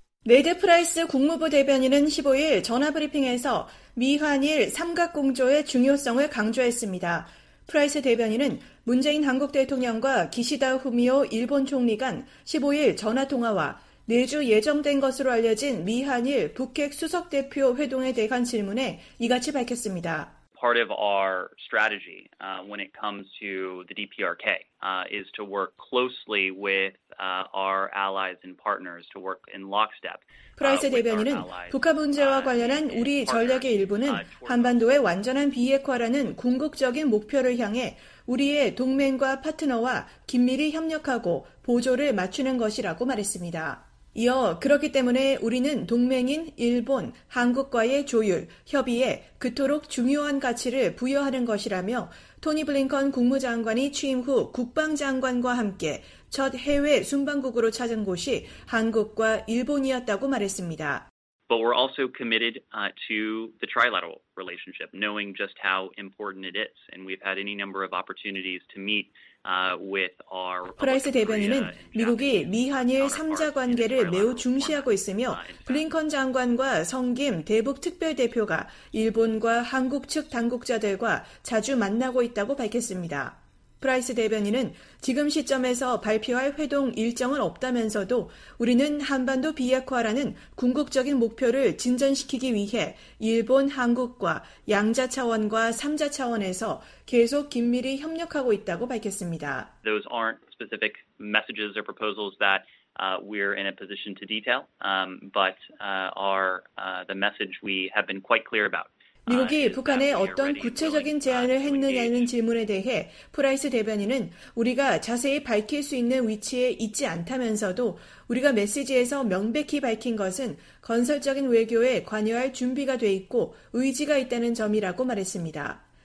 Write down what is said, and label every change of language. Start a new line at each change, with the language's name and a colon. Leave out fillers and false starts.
Korean: 네드 프라이스 국무부 대변인은 15일 전화브리핑에서 미한일 삼각공조의 중요성을 강조했습니다. 프라이스 대변인은 문재인 한국 대통령과 기시다 후미오 일본 총리 간 15일 전화통화와 내주 예정된 것으로 알려진 미한일 북핵 수석대표 회동에 대한 질문에 이같이 밝혔습니다.
English: Part of our strategy when it comes to the DPRK is to work closely with our allies and partners to work in lockstep.
Korean: 프라이스 대변인은 북한 문제와 관련한 우리 전략의 일부는 한반도의 완전한 비핵화라는 궁극적인 목표를 향해 우리의 동맹과 파트너와 긴밀히 협력하고 보조를 맞추는 것이라고 말했습니다. 이어 그렇기 때문에 우리는 동맹인 일본, 한국과의 조율, 협의에 그토록 중요한 가치를 부여하는 것이라며 토니 블링컨 국무장관이 취임 후 국방장관과 함께 첫 해외 순방국으로 찾은 곳이 한국과 일본이었다고 말했습니다.
English: But we're also committed to the trilateral relationship, knowing just how important it is. And we've had any number of opportunities to meet with our Republic of Korea.
Korean: 프라이스 대변인은 미국이 미한일 3자 관계를 매우 중시하고 있으며 블링컨 장관과 성김 대북 특별대표가 일본과 한국 측 당국자들과 자주 만나고 있다고 밝혔습니다. 프라이스 대변인은 지금 시점에서 발표할 회동 일정은 없다면서도 우리는 한반도 비핵화라는 궁극적인 목표를 진전시키기 위해 일본, 한국과 양자 차원과 3자 차원에서 계속 긴밀히 협력하고 있다고 밝혔습니다.
English: Those aren't specific messages or proposals that we're in a position to detail, but are the message we have been quite clear about.
Korean: 미국이 북한에 어떤 구체적인 제안을 했느냐는 질문에 대해 프라이스 대변인은 우리가 자세히 밝힐 수 있는 위치에 있지 않다면서도 우리가 메시지에서 명백히 밝힌 것은 건설적인 외교에 관여할 준비가 돼 있고 의지가 있다는 점이라고 말했습니다.